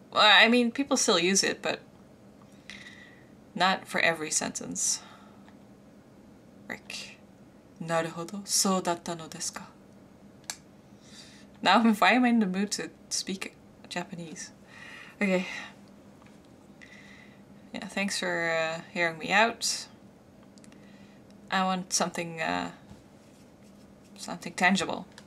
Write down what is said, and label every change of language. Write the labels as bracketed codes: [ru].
[en] Well, I mean, people still use it, but not for every sentence. Rick. [ja] なるほど、そうだったのですか。 [en] Now, why am I in the mood to speak Japanese? Okay. Yeah, thanks for hearing me out. I want something tangible.